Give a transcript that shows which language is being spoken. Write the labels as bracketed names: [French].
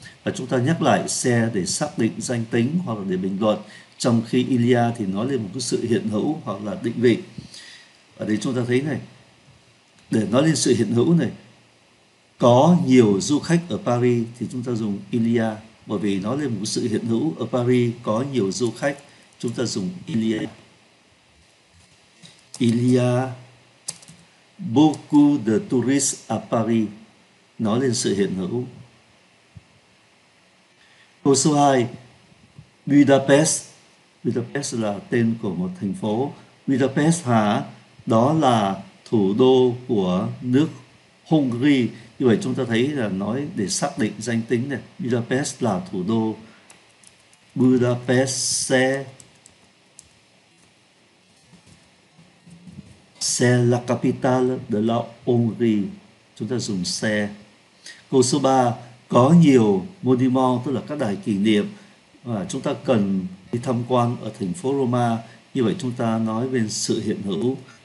[Vietnamese] Và chúng ta nhắc lại xe để xác định danh tính hoặc là để bình luận, trong khi il y a thì nói lên một cái sự hiện hữu hoặc là định vị. Ở đây chúng ta thấy này, để nói lên sự hiện hữu này, có nhiều du khách ở Paris thì chúng ta dùng il y a, bởi vì nói lên một sự hiện hữu ở Paris có nhiều du khách, chúng ta dùng il y a. [French] Il y a beaucoup de touristes à Paris. [Vietnamese] Nói lên sự hiện hữu. Câu số 2, Budapest. Budapest là tên của một thành phố. Budapest hả? Đó là thủ đô của nước Hungary. Như vậy chúng ta thấy là nói để xác định danh tính này. Budapest là thủ đô. [French] Budapest c'est la capitale de la Hongrie. [Vietnamese] Chúng ta dùng xe. Câu số 3, có nhiều monument, tức là các đài kỷ niệm và chúng ta cần đi tham quan ở thành phố Roma. Như vậy chúng ta nói về sự hiện hữu.